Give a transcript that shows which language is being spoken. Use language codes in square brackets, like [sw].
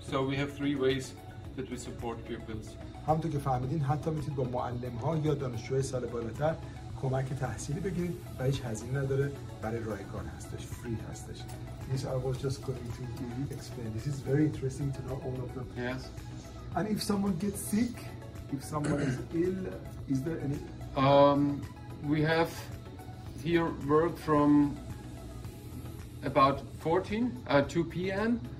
[en] So we have 3 ways that we support pupils. [fa] همونطور که فهمیدین حتی میتونید با معلم ها یا دانشجوی سال بالاتر کمک تحصیلی بگیرید و هیچ هزینه نداره، برای رایگان هستش، فری هستش. [en] This I was just going to explain. This is very interesting to know all of them. Yes. And if someone gets sick, if someone is ill, is there any? We have here work from about 14 2 p.m.